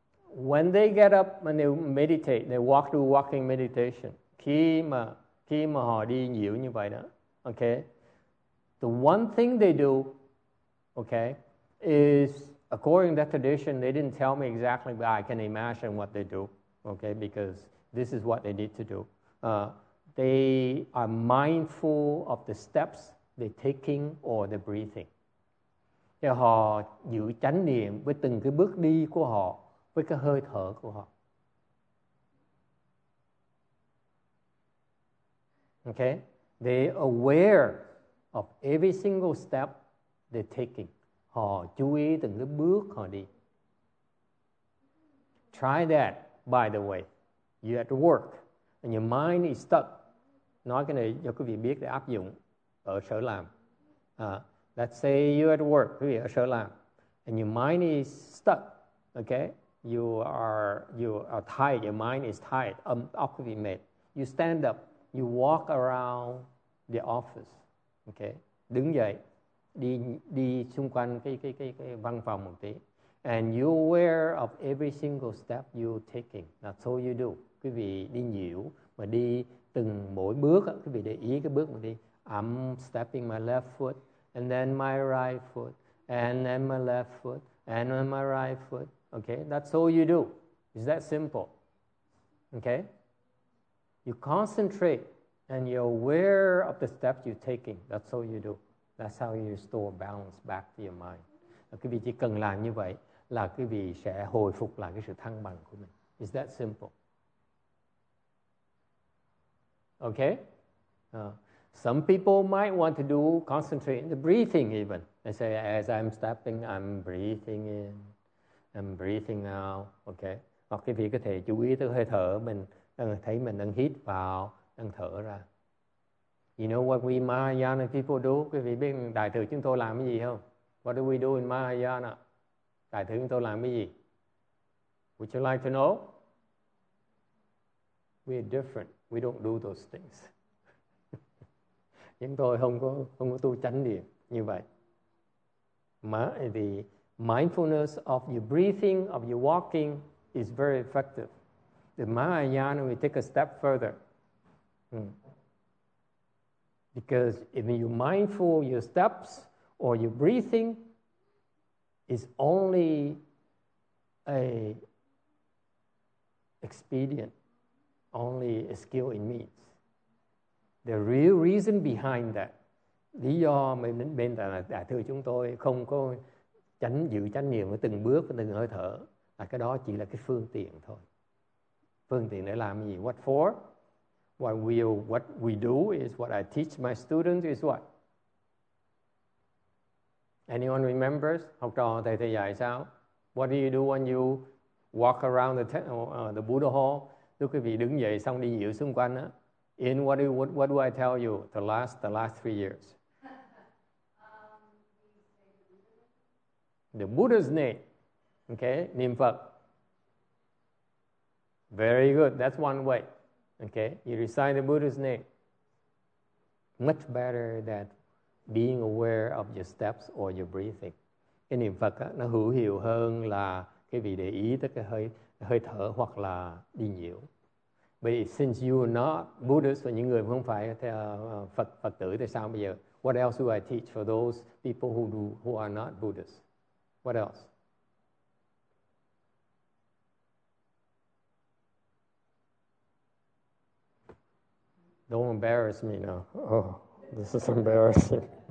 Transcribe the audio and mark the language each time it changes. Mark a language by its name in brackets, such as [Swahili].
[English] When they get up and they meditate, they walk through walking meditation. [Vietnamese] Khi mà họ đi nhiều như vậy đó. [English] Okay. The one thing they do, okay, is according to that tradition, they didn't tell me exactly, but I can imagine what they do. Okay. Because this is what they need to do. They are mindful of the steps they taking or the breathing. [Vietnamese] Thì họ giữ chánh niệm với từng cái bước đi của họ, với cái hơi thở của họ. [English] Okay? They aware of every single step they taking. [Vietnamese] Họ chú ý từng cái bước họ đi. [English] Try that, by the way. You're at work and your mind is stuck. [Vietnamese] Nói cái này cho quý vị biết để áp dụng ở sở làm. [English] Let's say you're at work, [Vietnamese] quý vị ở sở làm, [English] and your mind is stuck, okay? You are tired, your mind is tired, [Vietnamese] óc quý vị mệt. [English] You stand up, you walk around the office, okay? [Vietnamese] Đứng dậy, đi xung quanh cái văn phòng một tí. [English] And you're aware of every single step you're taking. That's all you do. [Vietnamese] Quý vị đi nhiều, mà đi từng mỗi bước, quý vị để ý cái bước mà đi. [English] I'm stepping my left foot, and then my right foot, and then my left foot, and then my right foot. Okay, that's all you do. It's that simple. Okay? You concentrate and you're aware of the steps you're taking. That's all you do. That's how you restore balance back to your mind. [Vietnamese] Quý vị chỉ cần làm như vậy là quý vị sẽ hồi phục lại cái sự thăng bằng của mình. [English] It's that simple. Okay? Some people might want to do concentrate in the breathing even. They say, as I'm stepping, I'm breathing in, I'm breathing out. Okay? [Vietnamese] Hoặc quý vị có thể chú ý tới hơi thở mình, đang thấy mình đang hít vào, đang thở ra. [English] You know what we Mahayana people do? [Vietnamese] Quý vị biết đại thừa chúng tôi làm cái gì không? [English] What do we do in Mahayana? [Vietnamese] Đại thừa chúng tôi làm cái gì? [English] Would you like to know? We're different. We don't do those things. [Vietnamese] Chúng tôi không có tu chánh niệm như vậy. [English] Mà the mindfulness of your breathing, of your walking is very effective. The Mahayana, we take a step further. Because if you're mindful, your steps or your breathing is only a expedient, only a skill in means. The real reason behind that, [Vietnamese] lý do bên đại thừa chúng tôi không có chánh giữ chánh niệm với từng bước, từng hơi thở, là cái đó chỉ là cái phương tiện thôi. Phương tiện để làm gì? [English] What for? What we do is what I teach my students is what? Anyone remembers? [Vietnamese] Học trò thầy thầy dạy sao? [English] What do you do when you walk around the Buddha hall? [Vietnamese] Lúc quý vị đứng dậy xong đi dạo xung quanh á. [English] In what do I tell you? The last 3 years. The Buddha's name. Okay, niệm Phật. Very good. That's one way. Okay, you recite the Buddha's name. Much better than being aware of your steps or your breathing. [Vietnamese] Cái niệm Phật á, nó hữu hiệu hơn là cái vị để ý tới cái hơi thở hoặc là đi nhiều. [English] But since you are not Buddhist, [Vietnamese] và những người không phải Phật tử thì sao bây giờ? [English] What else do I teach for those people who are not Buddhist? What else? Don't embarrass me now. Oh, this is embarrassing.